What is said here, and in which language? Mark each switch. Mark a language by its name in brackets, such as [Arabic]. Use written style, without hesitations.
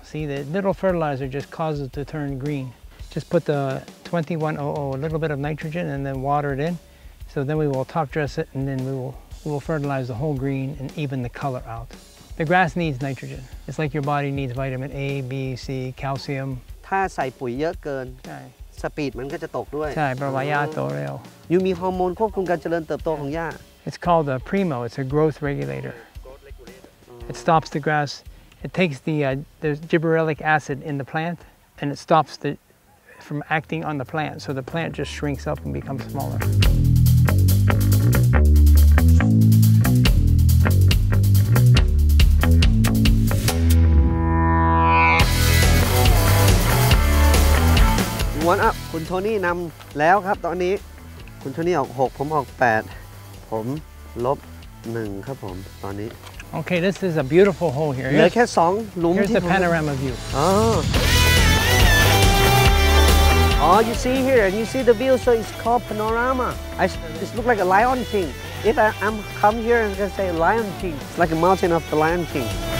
[English] See, the little fertilizer just causes it to turn green. Just put the 2100, a little bit of nitrogen, and then water it in. So then we will top dress it, and then we will fertilize the whole green and even the color out. The grass needs nitrogen. It's like your body needs vitamin A, B, C, calcium. If you put a lot of nitrogen in it, [Thai] สปีดมันก็จะตกด้วย ใช่เพราะว่าหญ้าโตเร็ว ยูมีฮอร์โมนควบคุมการเจริญเติบโตของหญ้า [English] It's called a primo it's a growth regulator It stops the grass it takes the gibberellic acid in the plant and it stops it from acting on the plant so the plant just shrinks up and becomes smaller one up [Thai] คุณโทนี่นำแล้วครับตอนนี้คุณโทนี่ออก6ผมออก8ผมลบ1ครับผมตอนนี้โอเค [English] this is a beautiful hole here [Thai] เหลือแค่2หลุม [English] ที่ Here's the panorama view Oh you see here and you see the view so it's called panorama it looks like a lion king if I'm come here and can say lion king it's like a mountain of the lion king